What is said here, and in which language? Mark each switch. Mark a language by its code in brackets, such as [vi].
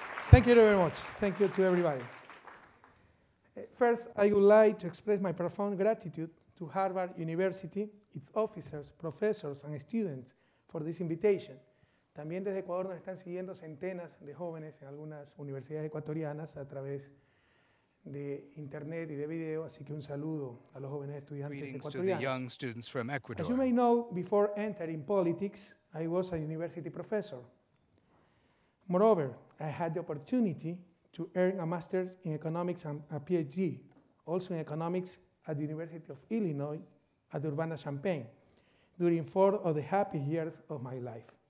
[en] Thank you very much. Thank you to everybody. First, I would like to express my profound gratitude to Harvard University, its officers, professors, and students for this invitation. [es] También desde Ecuador nos están siguiendo centenas de jóvenes en algunas universidades ecuatorianas a través de internet y de video, así que un saludo a los jóvenes estudiantes ecuatorianos. [en] To the young students from Ecuador. As you may know, before entering politics, I was a university professor. Moreover, I had the opportunity to earn a master's in economics and a PhD, also in economics at the University of Illinois at Urbana-Champaign, during four of the happy years of my life.